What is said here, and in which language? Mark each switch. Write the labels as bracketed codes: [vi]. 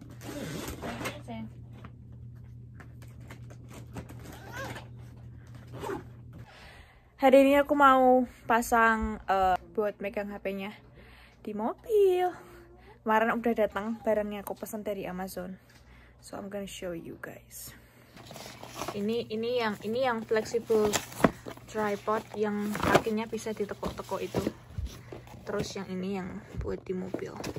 [id] Ini. Hari ini aku mau pasang buat megang HP-nya di mobil. Kemarin udah datang barangnya, aku pesan dari Amazon. [en] So I'm gonna show you guys. [id] Ini yang flexible tripod yang kakinya bisa ditekuk-tekuk itu. Terus yang ini yang buat di mobil.